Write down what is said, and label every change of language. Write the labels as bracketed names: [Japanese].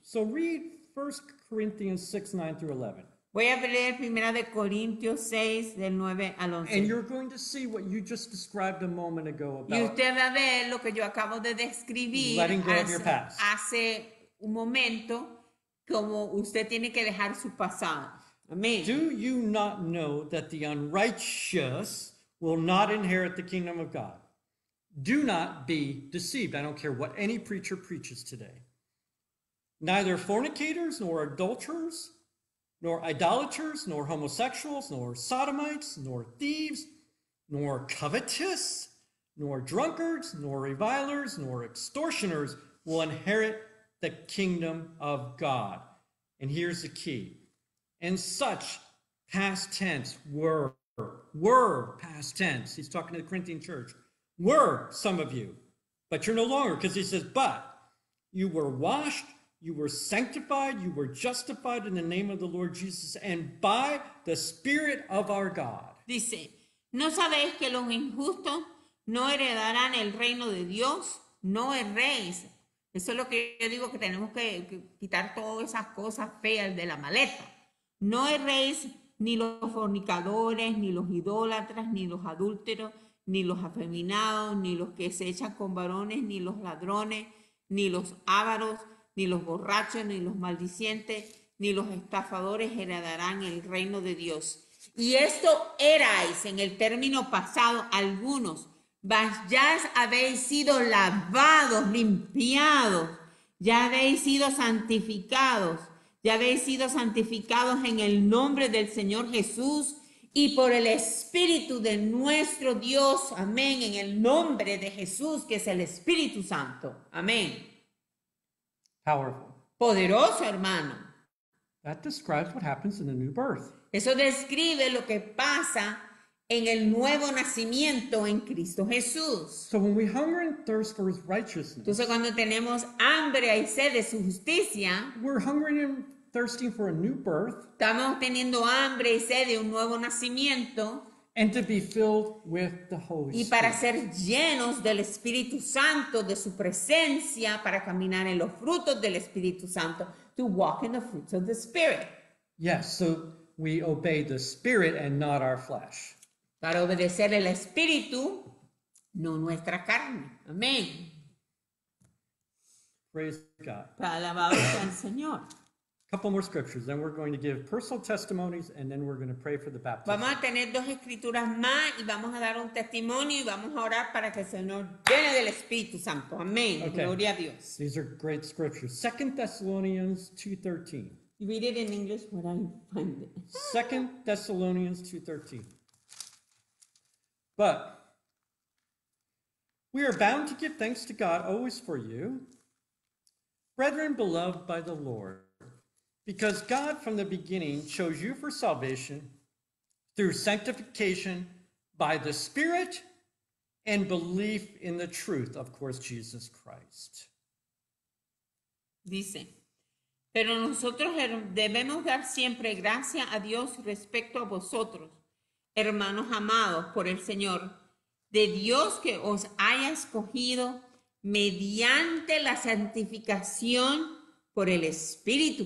[English] So read 1 Corinthians 6, 9 through 11. [Spanish] Voy a leer primera de Corintios 6 del 9 al 11. [English] And you're going to see what you just described a moment ago about. [Spanish] Y usted va a ver lo que yo acabo de describir hace un momento, como usted tiene que dejar su pasado. Amén. [English] Do you not know that the unrighteous will not inherit the kingdom of God? Do not be deceived. I don't care what any preacher preaches today. Neither fornicators, nor adulterers, nor idolaters, nor homosexuals, nor sodomites, nor thieves, nor covetous, nor drunkards, nor revilers, nor extortioners will inherit the kingdom of God. And here's the key. And such past tense were past tense. He's talking to the Corinthian church. Were some of you, but you're no longer, because he says, but you were washed, you were sanctified, you were justified in the name of the Lord Jesus and by the Spirit of our God. [Spanish] Dice, ¿no sabéis que los injustos no heredarán el reino de Dios? No erréis. Eso es lo que yo digo, que tenemos que quitar todas esas cosas feas de la maleta. No erréis ni los fornicadores, ni los idólatras, ni los adúlteros, ni los afeminados, ni los que se echan con varones, ni los ladrones, ni los ávaros, ni los borrachos, ni los maldicientes, ni los estafadores heredarán el reino de Dios. Y esto erais en el término pasado algunos, mas ya habéis sido lavados, limpiados, ya habéis sido santificados, ya habéis sido santificados en el nombre del Señor Jesús y por el Espíritu de nuestro Dios. Amén. En el nombre de Jesús, que es el Espíritu Santo. Amén. [English] Powerful. [Spanish] Poderoso, hermano. [English] That describes what happens in the new birth. [Spanish] Eso describe lo que pasa en el nuevo nacimiento en Cristo Jesús. [English] So when we hunger and thirst for his righteousness. [Spanish] Entonces cuando tenemos hambre y sed de su justicia. [English] We're hungering and thirsting for a new birth. [Spanish] Estamos teniendo hambre y sed de un nuevo nacimiento. [English] And to be filled with the Holy Spirit. [Spanish] Y para ser llenos del Espíritu Santo, de su presencia, para caminar en los frutos del Espíritu Santo. [English] To walk in the fruits of the Spirit. Yes, so we obey the Spirit and not our flesh. [Spanish] Para obedecer el Espíritu, no nuestra carne. Amén. [English] Praise God. [Spanish] Para alabar al Señor. [English] Couple more scriptures, then we're going to give personal testimonies, and then we're going to pray for the baptism. [Spanish] Vamos a tener dos escrituras más, y vamos a dar un testimonio, y vamos a orar para que el Señor llene del Espíritu Santo. Amén. [English] Okay. [Spanish] Gloria a Dios. [English] These are great scriptures. 2 Thessalonians 2:13. You read it in English when I find it. 2 Thessalonians 2:13. But we are bound to give thanks to God always for you, brethren beloved by the Lord. Because God from the beginning chose you for salvation through sanctification by the Spirit and belief in the truth, of course, Jesus Christ. [Spanish] Dice, pero nosotros debemos dar siempre gracias a Dios respecto a vosotros, hermanos amados por el Señor, de Dios que os haya escogido mediante la santificación por el Espíritu.